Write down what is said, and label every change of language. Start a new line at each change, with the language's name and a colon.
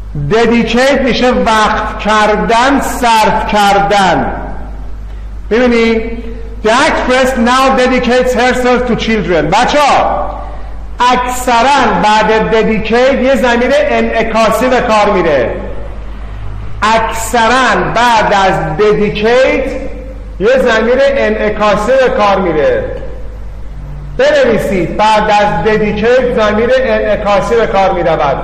Persian: dedicate میشه وقت کردن، صرف کردن. ببینی
English: the actress now dedicates herself to children.
Persian: بچه ها اکثرا بعد dedicate یه ضمیر انعکاسی به کار میره. اکثرا بعد از dedicate یه ضمیر انعکاسی به کار میره. بنویسید بعد از dedicate ضمیر انعکاسی به کار می رود.